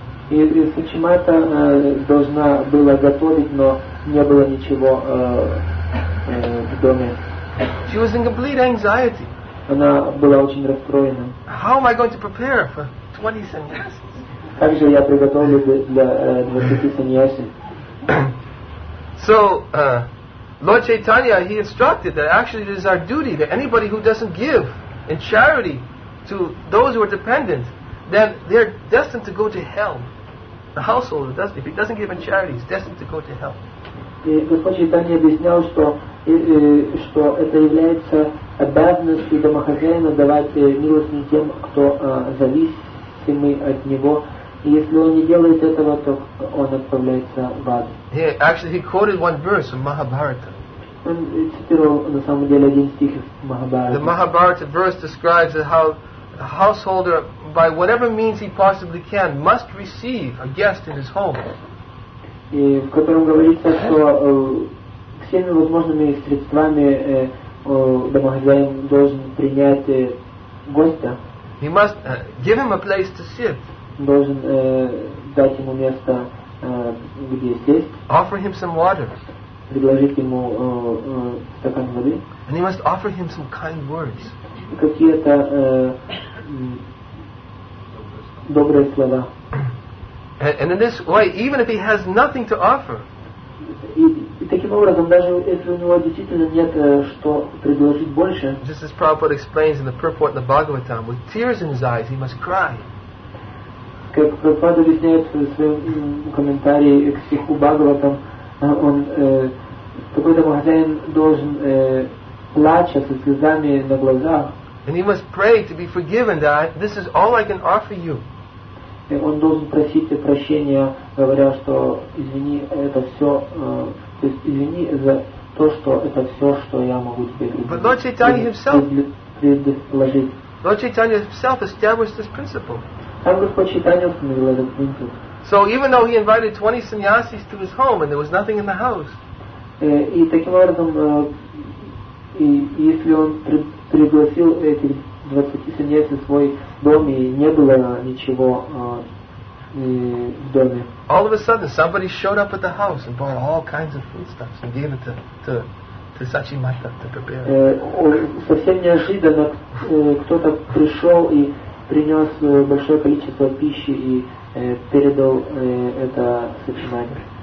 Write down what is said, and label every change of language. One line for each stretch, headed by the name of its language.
Russian: И Сачи Мата должна была готовить, но не было ничего в доме.
English: She was in complete anxiety.
Russian: Она была очень расстроена.
English: How am I going to prepare for 20 sannyasis?
Russian: Как же я приготовлю для 20 sannyasis?
English: So, Lord Chaitanya, he instructed that actually it is our duty that anybody who doesn't give in charity to those who are dependent, then they're destined to go to hell. The householder, doesn't, if he doesn't give in charity, he's destined to go to hell.
Russian: И Господь Чайтанья объяснял, что это является обязанностью домохозяина давать милостыню тем, кто зависимый от него. И если он не делает этого, то он отправляется в ад.
English: He quoted one verse from Mahabharata.
Russian: Он цитировал на самом деле один стих из Махабхараты.
English: The Mahabharata verse describes how a householder, by whatever means he possibly can, must receive a guest in his home.
Russian: И в котором говорится, что всеми возможными средствами домохозяин должен принять гостя.
English: He must give him a place to sit.
Russian: Должен дать ему место, где сесть.
English: Offer him some water.
Russian: Предложить ему стакан воды.
English: And he must offer him some kind words.
Russian: Какие-то добрые слова.
English: And in this way, even if he has nothing to offer, just as Prabhupada explains in the purport in the Bhagavatam, with tears in his eyes, he must cry.
Russian: Как Прабхупада объясняет в своем комментарии к стиху Бхагаватам, он какой-то хозяин должен плача со слезами на глазах.
English: And he must pray to be forgiven that this is all I can offer you.
Russian: И он должен просить прощения, говоря, что извини, это все, то есть извини за то, что это все, что я могу тебе предложить.
English: Lord Chaitanya himself established this principle.
Russian: Там Господь Чайтанья установил этот принцип.
English: So even though he invited 20 sannyasis to his home and there was nothing in the house.
Russian: И таким образом, и если он пригласил этих 20 sannyasis в свой дом, и не было ничего в доме.
English: All of a sudden somebody showed up at the house and brought all kinds of foodstuffs and gave it to Sachi Mata to prepare.
Russian: Совсем неожиданно кто-то пришел и принес большое количество пищи и передал это сочинание.